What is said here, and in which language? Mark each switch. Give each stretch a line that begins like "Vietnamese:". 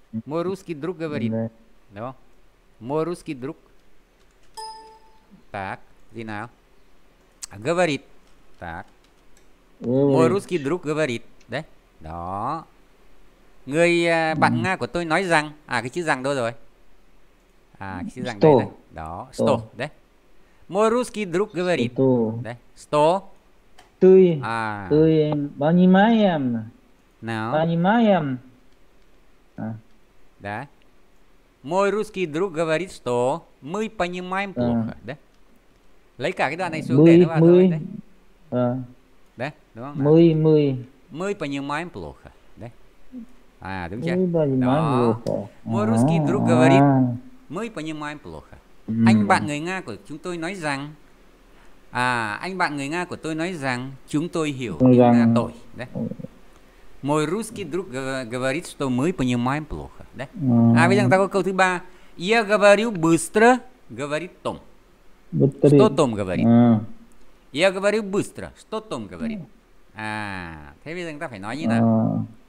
Russian: Мой русский друг говорит. Đó. Мой русский друг. Так,
Vietnamese: gì nào?
Russian: Говорит. Так. Мой русский друг говорит.
Vietnamese: Đấy. Đó. Người bạn Nga của tôi nói rằng, à cái chữ rằng đâu rồi? À cái chữ rằng đây đây. Đó, что, đấy.
Russian: Мой русский друг говорит.
Vietnamese: Đấy. Что? Tôi, à.
Russian: Tôi понимаем.
Vietnamese: Nào.
Russian: Понимаем.
Vietnamese: À. Đấy.
Russian: Мой русский друг говорит, что мы понимаем плохо.
Vietnamese: Đấy. Lấy cả cái đoạn này xuống để nó vào thôi. Đấy. Đúng không?
Russian: Мы, мы. Мы понимаем плохо. Đấy.
Vietnamese: À, đúng chưa?
Russian: Мы понимаем плохо. Мой русский друг говорит, мы понимаем плохо.
Vietnamese: Anh bạn người Nga của chúng tôi nói rằng, à, anh bạn người Nga của tôi nói rằng chúng tôi hiểu tiếng Nga tồi. Đấy.
Russian: Мой русский друг говорит, что мы понимаем плохо.
Vietnamese: Đấy. À, bây giờ ta có câu thứ ba.
Russian: Я говорю быстро, говорит Том. Что Том говорит? Я говорю быстро, что Том говорит?
Vietnamese: À, thế bây giờ ta phải nói như nào?